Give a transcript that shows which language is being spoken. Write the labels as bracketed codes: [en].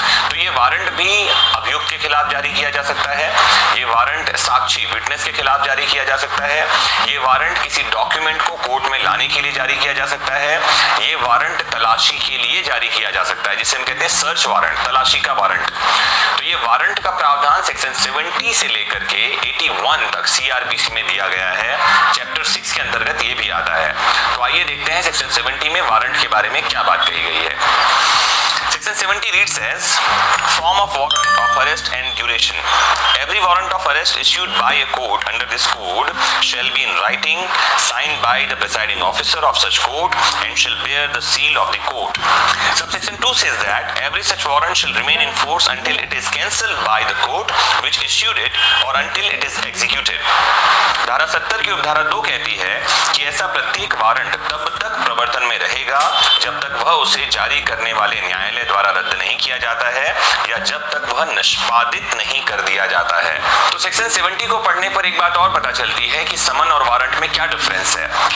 [hi] तो ये वारंट भी अभियुक्त के खिलाफ जारी किया जा सकता है, ये वारंट साक्षी विटनेस के खिलाफ जारी किया जा सकता है, ये वारंट किसी डॉक्यूमेंट को कोर्ट में लाने के लिए जारी किया जा सकता है, ये वारंट तलाशी के लिए जारी किया जा सकता है, जिसे हम कहते हैं सर्च वारंट, तलाशी का वारंट। तो ये वारंट का प्रावधान सेक्शन 70 से लेकर के 81 तक सीआरपीसी में दिया गया है, चैप्टर 6 के अंतर्गत ये भी आता है। तो आइए देखते हैं सेक्शन 70 में वारंट के बारे में क्या बात कही गई है। [en] Section 70 reads as, form of warrant of arrest and duration. Every warrant of arrest issued by a court under this code shall be in writing, signed by the presiding officer of such court and shall bear the seal of the court. Subsection 2 says that, every such warrant shall remain in force until it is cancelled by the court which issued it or until it is executed. [hi] धारा 70 की उपधारा 2 कहती है कि ऐसा प्रत्येक warrant तब तक प्रवर्तन में रहेगा जब तक वह उसे जारी करने वाले न्यायालय द्वारा रद्द नहीं किया जाता है या जब तक वह निष्पादित नहीं कर दिया जाता है। तो सेक्शन 70 को पढ़ने पर एक बात और पता चलती है कि समन और वारंट में क्या डिफरेंस है।